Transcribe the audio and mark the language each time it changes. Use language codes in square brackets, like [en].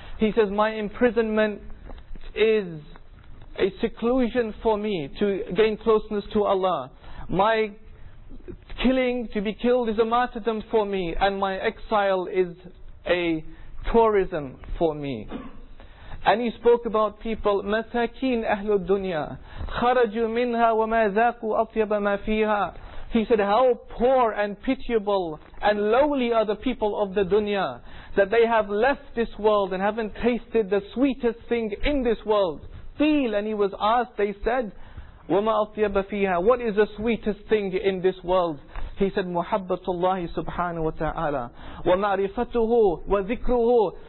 [en] He says, my imprisonment is a seclusion for me to gain closeness to Allah. My killing, to be killed, is a martyrdom for me. And my exile is a tourism for me. And he spoke about people, [ar] مساكين أهل الدنيا خرجوا منها وما ذاقوا أطيب ما فيها. [en] He said, how poor and pitiable and lowly are the people of the dunya, that they have left this world and haven't tasted the sweetest thing in this world. Feel. And he was asked, they said, [ar] وَمَا أَطْيَبَ فِيهَا. [en] What is the sweetest thing in this world? He said, [ar] مُحَبَّةُ اللَّهِ سُبْحَانَهُ وَتَعَالَى وَمَعْرِفَتُهُ وَذِكْرُهُ.